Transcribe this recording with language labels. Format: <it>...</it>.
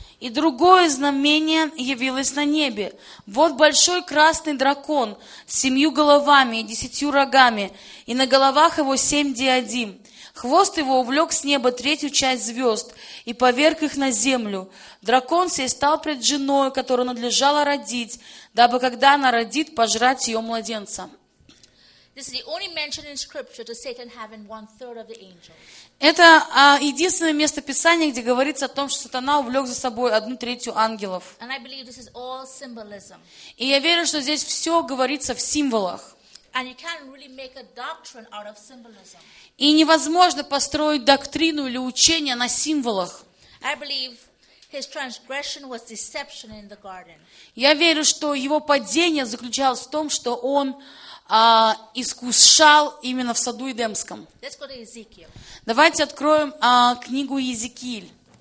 <ru>И другое знамение явилось на небе. Вот большой красный дракон с 7 головами и 10 рогами, и на головах его 7 диадим. Хвост его увлек с неба 3-ю часть звезд и поверг их на землю. Дракон сей стал пред женой, которую надлежало родить, дабы когда она родит, пожрать ее младенца.</ru> <en>This is the only mention in scripture to Satan having one third of the angels.</en> <ru>Это единственное место Писания, где говорится о том, что сатана увлек за собой одну третью ангелов.</ru> <en>And I believe this is all symbolism.</en> <ru>И я верю, что здесь все говорится в символах.</ru> <en>And you can't really make a doctrine out of symbolism.</en> <ru>И невозможно построить доктрину или учение на символах.</ru> <en>I believe his transgression was deception in the garden.</en> <ru>Я верю, что его падение заключалось в том, что он искушал именно в саду Эдемском.</ru> <en>Let's go to Ezekiel.</en> <ru>Давайте откроем книгу Иезекииль.</ru>